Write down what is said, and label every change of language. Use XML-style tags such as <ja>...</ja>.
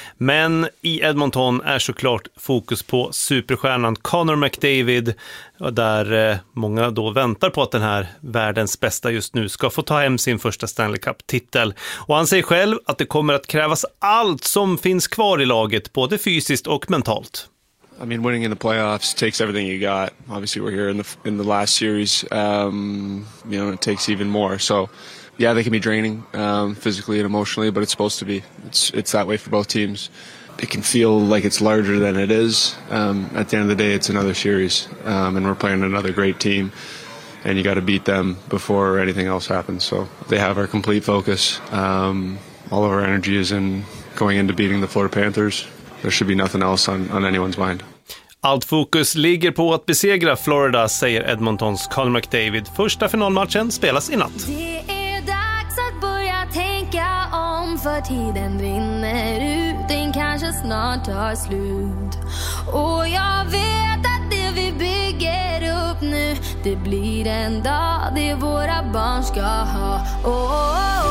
<sv>Men i Edmonton är såklart fokus på superstjärnan Connor McDavid. Där många då väntar på att den här världens bästa just nu ska få ta hem sin första Stanley Cup-titel. Och han säger själv att det kommer att krävas allt som finns kvar i laget, både fysiskt och mentalt.</sv> <en>I mean, winning in the playoffs takes everything you got. Obviously, we're here in the last series. You know, it takes even more. So, yeah, they can be draining physically and emotionally, but it's supposed to be. It's that way for both teams. It can feel like it's larger than it is. At the end of the day, it's another series, and we're playing another great team. And you got to beat them before anything else happens. So they have our complete focus. All of our energy is in going into beating the Florida Panthers. There should be nothing else on anyone's mind.</en> <sv>Allt fokus ligger på att besegra Florida, säger Edmontons Connor McDavid. Första finalmatchen spelas i natt. Det är dags att börja tänka om, för tiden rinner ut, den kanske snart tar slut. Och jag vet att det vi bygger upp nu, det blir en dag det våra barn ska ha.</sv>